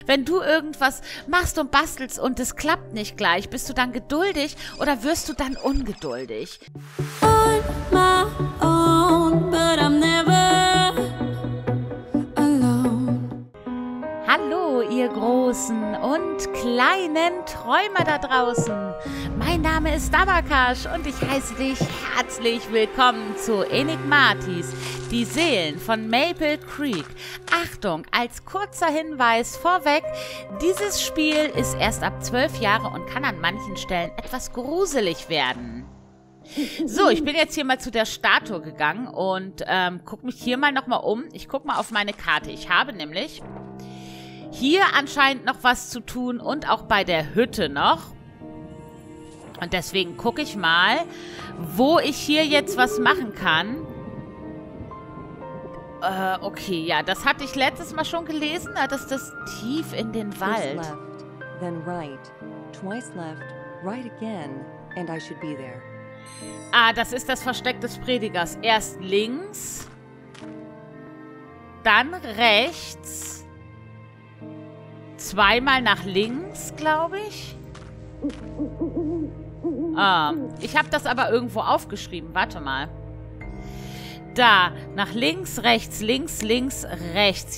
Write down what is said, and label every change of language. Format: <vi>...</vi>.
<de>Wenn du irgendwas machst und bastelst und es klappt nicht gleich, bist du dann geduldig oder wirst du dann ungeduldig?</de> <en>On my own, but I'm never alone.</en> <de>Hallo, ihr großen und kleinen Träumer da draußen. Mein Name ist Dabakash und ich heiße dich herzlich willkommen zu Enigmatis, die Seelen von Maple Creek. Achtung, als kurzer Hinweis vorweg, dieses Spiel ist erst ab 12 Jahre und kann an manchen Stellen etwas gruselig werden. So, ich bin jetzt hier mal zu der Statue gegangen und guck mich hier mal nochmal um. Ich guck mal auf meine Karte. Ich habe nämlich hier anscheinend noch was zu tun und auch bei der Hütte noch. Und deswegen gucke ich mal, wo ich hier jetzt was machen kann. Okay, ja, das hatte ich letztes Mal schon gelesen, dass das tief in den Wald.</de> <en>First left, then right, twice left, right again, and I should be there.</en> <de>Ah, das ist das Versteck des Predigers. Erst links, dann rechts, zweimal nach links, glaube ich. Ich habe das aber irgendwo aufgeschrieben. Warte mal. Da, nach links, rechts, links, links, rechts.</de>